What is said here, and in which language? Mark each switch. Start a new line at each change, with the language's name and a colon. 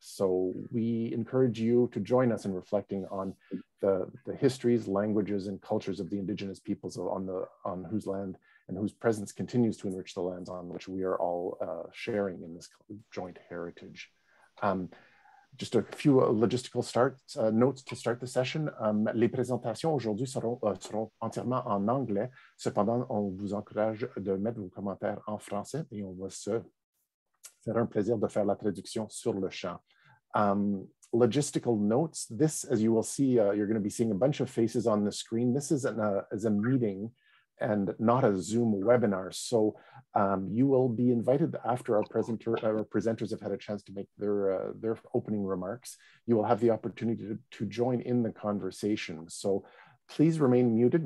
English: So we encourage you to join us in reflecting on the histories, languages, and cultures of the Indigenous peoples on whose land and whose presence continues to enrich the lands on which we are all sharing in this joint heritage. Just a few logistical notes to start the session.
French: Les présentations aujourd'hui seront entièrement en anglais. Cependant, on vous encourage de mettre vos commentaires en français et on va se faire un plaisir de faire la traduction sur le champ.
English: Logistical notes. This, as you will see, you're going to be seeing a bunch of faces on the screen. This is a meeting and not a Zoom webinar. So you will be invited after our presenters have had a chance to make their opening remarks. You will have the opportunity to join in the conversation. So please remain muted.